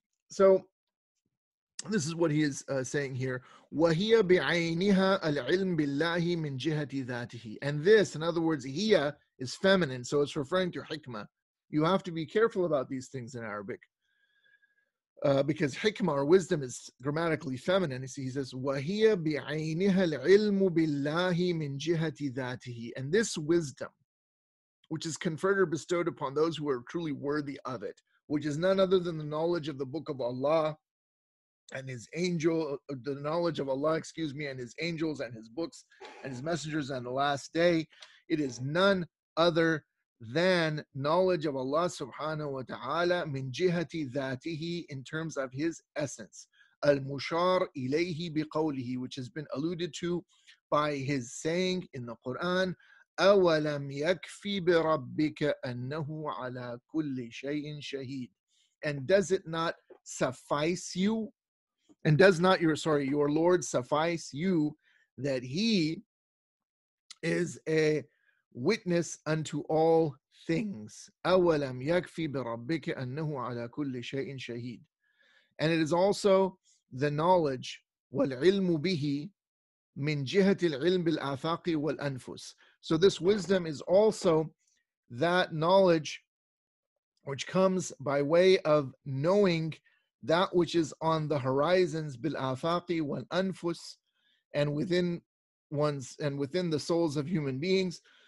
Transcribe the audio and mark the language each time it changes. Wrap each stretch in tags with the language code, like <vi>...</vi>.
<en>So this is what he is saying here.</en> <ar>وَهِيَ بِعَيْنِهَا الْعِلْمِ بِاللَّهِ مِنْ جِهَةِ ذَاتِهِ.</ar> <en>And this, in other words, هِيَ is feminine, so it's referring to hikmah. You have to be careful about these things in Arabic, because hikmah or wisdom is grammatically feminine. He says,</en> <ar>وَهِيَ بِعَيْنِهَا الْعِلْمُ بِاللَّهِ مِنْ جِهَةِ ذَاتِهِ.</ar> <en>And this wisdom, which is conferred or bestowed upon those who are truly worthy of it, which is none other than the knowledge of the book of Allah and his angel, the knowledge of Allah, excuse me, and his angels and his books and his messengers and the last day. It is none other than knowledge of Allah subhanahu wa ta'ala min jihati dhatihi, in terms of his essence.</en> <ar>Al-Mushar ilayhi biqawlihi,</ar> <en>which has been alluded to by his saying in the Quran,</en> <ar>أَوَلَمْ يَكْفِ بِرَبِّكَ أَنَّهُ عَلَىٰ كُلِّ شَيْءٍ شَهِيدٍ.</ar> <en>And does it not suffice you? And does not your Lord suffice you that he is a witness unto all things?</en> <ar>أَوَلَمْ يَكْفِ بِرَبِّكَ أَنَّهُ عَلَىٰ كُلِّ شَيْءٍ شَهِيدٍ.</ar> <en>And it is also the knowledge,</en> <ar>وَالْعِلْمُ بِهِ مِنْ جِهَةِ الْعِلْمِ بِالْآفَاقِ وَالْأَنْفُسِ.</ar> <en>So this wisdom is also that knowledge which comes by way of knowing that which is on the horizons,</en> <ar>bil afaqi wal anfus,</ar> <en>and within one's and within the souls of human beings.</en>